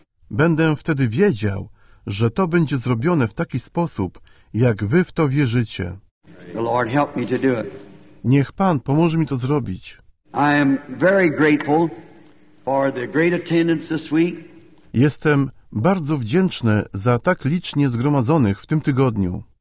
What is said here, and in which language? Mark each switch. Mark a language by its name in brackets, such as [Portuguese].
[Polish] Będę wtedy wiedział, że to będzie zrobione w taki sposób, jak wy w to wierzycie. [English] The Lord help me to do it. [Polish] Niech Pan pomoże mi to zrobić. [English] I am very grateful for the great attendance this week. [Polish] Jestem bardzo wdzięczny za tak licznie zgromadzonych w tym tygodniu.